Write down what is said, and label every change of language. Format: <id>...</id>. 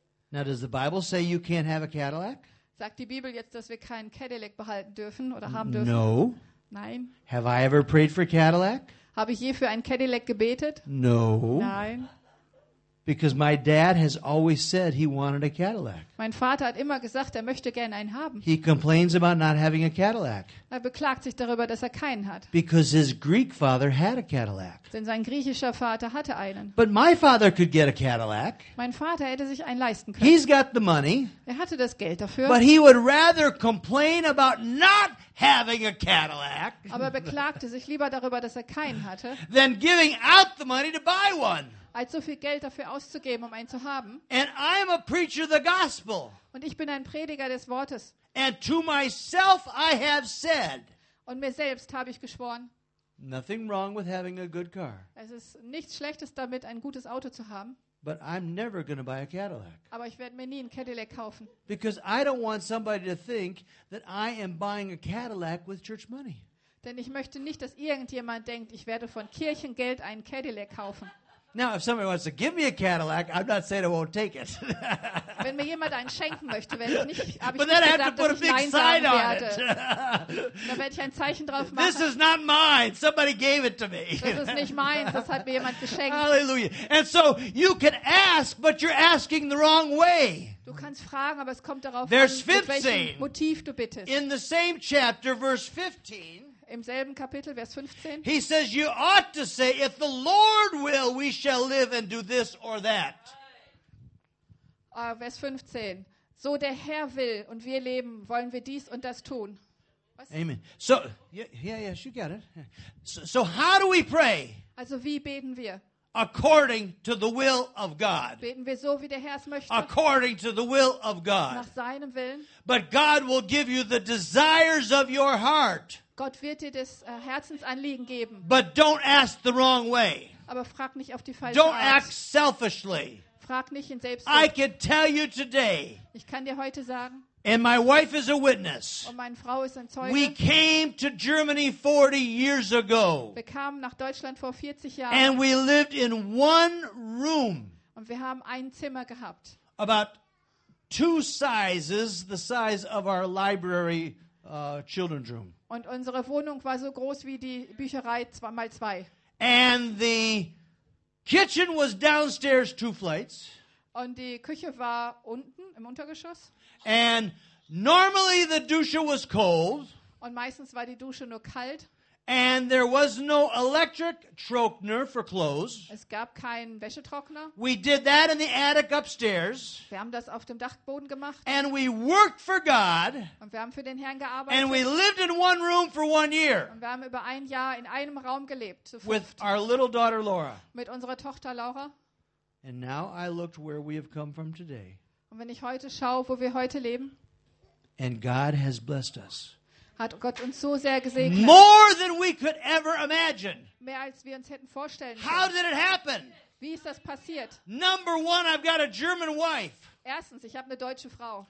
<en>Now, does the Bible say you can't have a Cadillac?</en> <de>Sagt die Bibel jetzt, dass wir keinen Cadillac behalten dürfen oder haben dürfen?</de> <en>No.</en> <de>Nein.</de> <en>Have I ever prayed for Cadillac?</en> <de>Habe ich je für einen Cadillac gebetet?</de> <en>No.</en> <de>Nein.</de> <en>Because my dad has always said he wanted a Cadillac.</en> <de>Mein Vater hat immer gesagt, er möchte gerne einen haben.</de> <en>He complains about not having a Cadillac.</en> <de>Er beklagt sich darüber, dass er keinen hat.</de> <en>Because his Greek father had a Cadillac.</en> <de>Denn sein griechischer Vater hatte einen.</de> <en>But my father could get a Cadillac.</en> <de>Mein Vater hätte sich einen leisten können.</de> <en>He's got the money.</en> <de>Er hatte das Geld dafür.</de> <en>But he would rather complain about not having a Cadillac.</en> <de>Aber beklagte sich lieber darüber, dass er keinen hatte.</de> <en>Than giving out the money to buy one.</en> <de>Als so viel Geld dafür auszugeben, um einen zu haben.</de> <en>And I'm a preacher of the gospel.</en> <de>Und ich bin ein Prediger des Wortes.</de> <en>And to myself I have said,</en> <de>und mir selbst habe ich geschworen,</de> <en>nothing wrong with having a good car.</en> <de>Es ist nichts Schlechtes damit, ein gutes Auto zu haben.</de> <en>But I'm never gonna buy a Cadillac.</en> <de>Aber ich werde mir nie einen Cadillac kaufen.</de> <en>Because I don't want somebody to think that I am buying a Cadillac with church money.</en> <de>Denn ich möchte nicht, dass irgendjemand denkt, ich werde von Kirchengeld einen Cadillac kaufen.</de> <en>Now, if somebody wants to give me a Cadillac, I'm not saying I won't take it.</en> <de>Wenn mir jemand einen schenken möchte, werde ich nicht. Aber ich werde dann ein Zeichen sein. Da werde ich ein Zeichen drauf machen.</de> <en>This is not mine. Somebody gave it to me.</en> <de>Das ist nicht meins. Das hat mir jemand geschenkt. Hallelujah.</de> <en>And so you can ask, but you're asking the wrong way.</en> <de>Du kannst fragen, aber es kommt darauf mit welchem Motiv du bittest.</de> <en>In the same chapter, verse 15.</en> <de>Im selben Kapitel, Vers 15.</de> <en>He says, you ought to say, if the Lord will, we shall live and do this or that.</en> <de>Vers 15. So der Herr will und wir leben, wollen wir dies und das tun.</de> <en>Was? Amen. So, yes, you got it. So how do we pray?</en> <de>Also wie beten wir?</de> <en>According to the will of God.</en> <de>Beten wir so, wie der Herr es möchte.</de> <en>According to the will of God.</en> <de>Nach seinem Willen.</de> <en>But God will give you the desires of your heart.</en> <de>Gott wird dir das Herzensanliegen geben.</de> <en>But don't ask the wrong way.</en> <de>Aber frag nicht auf die falsche</de> <en>don't</en> <de>Art.</de> <en>Act selfishly.</en> <de>Frag nicht in Selbstsucht.</de> <en>I can tell you today.</en> <de>Ich kann dir heute sagen.</de> <en>And my wife is a witness.</en> <de>Und meine Frau ist ein Zeuge.</de> <en>We came to Germany 40 years ago.</en> <de>Wir kamen nach Deutschland vor 40 Jahren.</de> <en>And we lived in one room.</en> <de>Und wir haben ein Zimmer gehabt.</de> <en>About two sizes the size of our library children's room.</en> <de>Und unsere Wohnung war so groß wie die Bücherei 2x2.</de> <en>And the kitchen was downstairs two flights.</en> <de>Und die Küche war unten im Untergeschoss.</de> <en>And normally the dusche was cold.</en> <de>Und meistens war die Dusche nur kalt.</de> <en>And there was no electric trockener for clothes.</en> <de>Es gab keinen Wäschetrockner.</de> <en>We did that in the attic upstairs.</en> <de>Wir haben das auf dem Dachboden gemacht.</de> <en>And we worked for God.</en> <de>Und wir haben für den Herrn gearbeitet.</de> <en>And we lived in one room for 1 year.</en> <de>Und wir haben über ein Jahr in einem Raum gelebt.</de> <en>With our little daughter Laura.</en> <de>Mit unserer Tochter Laura.</de> <en>And now I looked where we have come from today.</en> <de>Und wenn ich heute schaue, wo wir heute leben.</de> <en>And God has blessed us.</en> <de>Hat Gott uns so sehr gesegnet.</de> <en>More than we could ever imagine.</en> <de>Mehr als wir uns hätten vorstellen können.</de> <en>How did it happen?</en> <de>Wie ist das passiert?</de> <en>Number one, I've got a German wife.</en> <de>Erstens, ich habe eine deutsche Frau.</de>